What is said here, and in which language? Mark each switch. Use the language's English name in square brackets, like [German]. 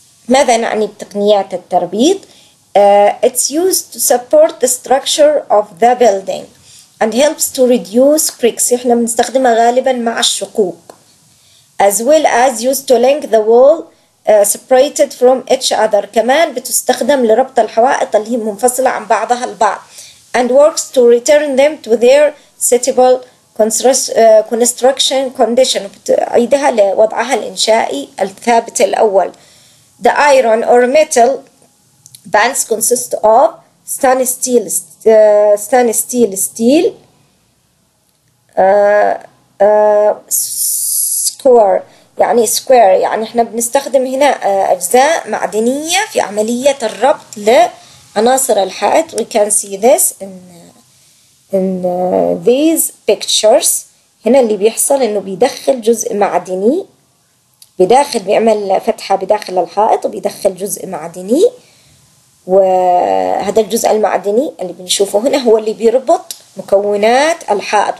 [Arabic] ماذا نعني بتقنيات التربيط؟ [English] It's used to support the structure of the building and helps to reduce cracks. [Arabic] إحنا بنستخدمها غالبا مع الشقوق. [English] As well as used to link the wall separated from each other. [Arabic] كمان بتستخدم لربط الحوائط اللي هي منفصلة عن بعضها البعض. [English] And works to return them to their suitable construction condition. [Arabic] بتعيدها لوضعها الإنشائي الثابت الأول. [English] The iron or metal bands consist of stainless steel square. [Arabic] يعني square، يعني احنا بنستخدم هنا اجزاء معدنية في عملية الربط لعناصر الحائط. [English] We can see this in these pictures. [Arabic] هنا اللي بيحصل انه بيدخل جزء معدني بداخل، بيعمل فتحة بداخل الحائط وبيدخل جزء معدني، وهذا الجزء المعدني اللي بنشوفه هنا هو اللي بيربط مكونات الحائط.